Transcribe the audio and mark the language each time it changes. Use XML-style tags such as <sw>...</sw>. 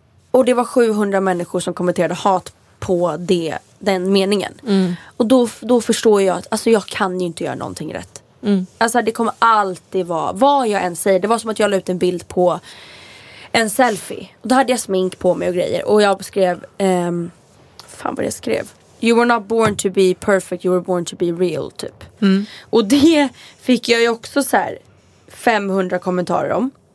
<sv>Och det var 700 människor som kommenterade hat på det, den meningen. Mm. Och då förstår jag att, alltså jag kan ju inte göra någonting rätt. Mm. Alltså det kommer alltid vara, vad jag än säger. Det var som att jag la ut en bild på en selfie. Och då hade jag smink på mig och grejer. Och jag skrev, fan vad jag skrev.</sv> <en>You were not born to be perfect, you were born to be real, typ. Mm.</en> <sv>Och det fick jag ju också så här 500 kommentarer om.</sv>